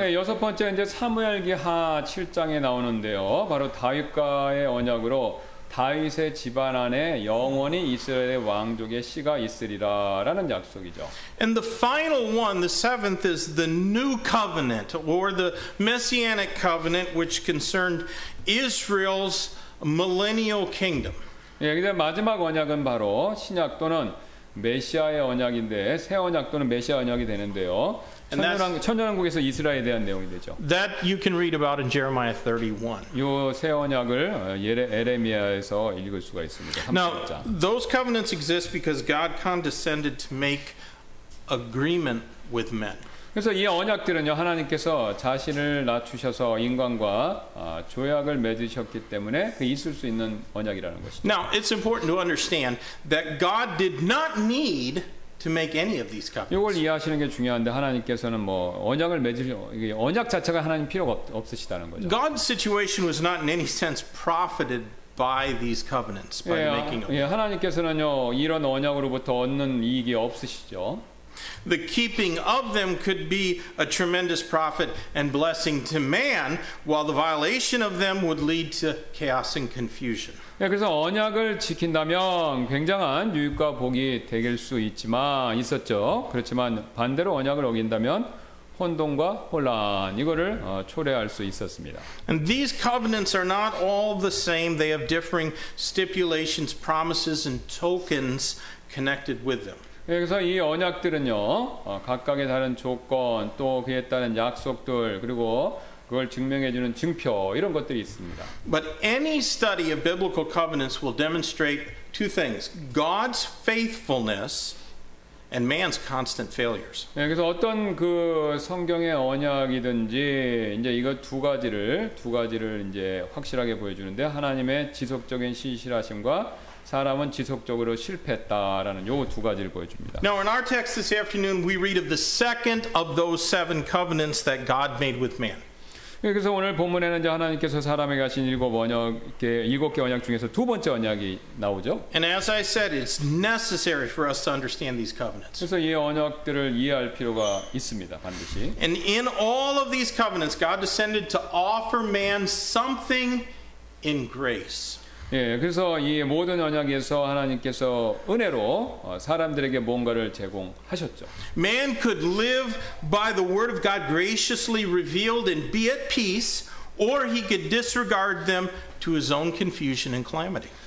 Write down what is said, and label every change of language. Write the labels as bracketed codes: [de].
[ko] 네, 여섯 번째 이제 사무엘기하 7장에 나오는데요, 바로 다윗과의 언약으로. 다윗의 집안 안에 영원히 이스라엘의 왕족의 씨가 있으리라라는 약속이죠. [en] And the final one, the seventh, is the new covenant or the messianic covenant, which concerned Israel's millennial kingdom. [ko] 예, 이제 마지막 언약은 바로 신약 또는 메시아의 언약인데 새 언약 또는 메시아 언약이 되는데요. 천년왕국에서 이스라엘에 대한 내용이 되죠. [en] That you can read about in Jeremiah 31. [ko] 요 새 언약을 예레미야에서 읽을 수가 있습니다. 31장. [en] Now those covenants exist because God condescended to make agreement with men. [ko] 그래서 이 언약들은요 하나님께서 자신을 낮추셔서 인간과 조약을 맺으셨기 때문에 그 있을 수 있는 언약이라는 것이죠. [en] Now it's important to understand that God did not need to make any of these covenants. [ko] 이걸 이해하시는 게 중요한데 하나님께서는 뭐 언약을 맺으시 언약 자체가 하나님 필요가 없으시다는 거죠. [en] God's situation was not in any sense profited by these covenants by [ko] 예, [en] making them. [ko] 예, 하나님께서는요 이런 언약으로부터 얻는 이익이 없으시죠. [en] The keeping of them could be a tremendous profit and blessing to man, while the violation of them would lead to chaos and confusion. [ko] 예, 그래서 언약을 지킨다면 굉장한 유익과 복이 되길 수 있지만 있었죠. 그렇지만 반대로 언약을 어긴다면 혼동과 혼란 이거를 초래할 수 있었습니다. [en] And these covenants are not all the same. They have differing stipulations, promises, and tokens connected with them. [ko] 예, 그래서 이 언약들은요 각각의 다른 조건 또 그에 따른 약속들 그리고 그걸 증명해주는 증표 이런 것들이 있습니다. [en] But any study of biblical covenants will demonstrate two things: God's faithfulness and man's constant failures. [ko] 예, 그래서 어떤 그 성경의 언약이든지 이제 이거 두 가지를 이제 확실하게 보여주는데 하나님의 지속적인 신실하심과 사람은 지속적으로 실패했다라는 요 두 가지를 보여줍니다. [en] Now in our text this afternoon we read of the second of those seven covenants that God made with man. [ko] 그래서 오늘 본문에는 이제 하나님께서 사람에게 하신 일곱 개 언약 중에서 두 번째 언약이 나오죠. [en] And as I said, it's necessary for us to understand these covenants. [ko] 그래서 이 언약들을 이해할 필요가 있습니다, 반드시. [en] And in all of these covenants, God descended to offer man something in grace. [ko] 예, 그래서 이 모든 언약에서 하나님께서 은혜로 사람들에게 뭔가를 제공하셨죠. [en] Man could live by the word of God graciously revealed and be at peace, or he could disregard them to his own confusion and calamity.